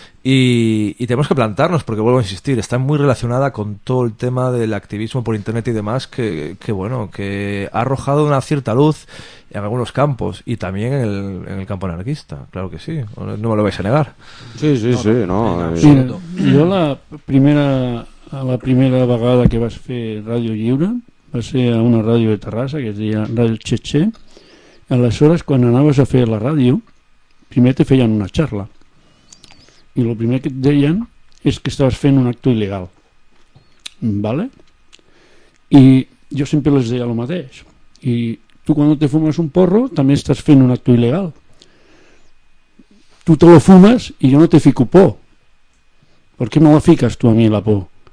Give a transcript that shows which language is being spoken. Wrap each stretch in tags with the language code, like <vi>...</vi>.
<es>Y tenemos que plantarnos, porque vuelvo a insistir, está muy relacionada con todo el tema del activismo por internet y demás, que bueno, que ha arrojado una cierta luz en algunos campos y también en el campo anarquista, claro que sí, no me lo vais a negar. Sí, sí, no, sí, no.</es> <ca>Yo la primera vegada que vas fer Ràdio Lliure va ser a una ràdio de Terrassa, que es deia Ràdio Txetxè. Aleshores, quan anaves a fer la ràdio, primer te feien una charla. I el primer que et deien és que estaves fent un acte il·legal. ¿Vale? I jo sempre les deia el mateix. I tu quan te fumes un porro també estàs fent un acte il·legal. Tu</ca> <es>te lo fumes</es> <ca>i jo no te fico por.</ca> <es>¿Por qué me la fiques tu a mi la por?</es>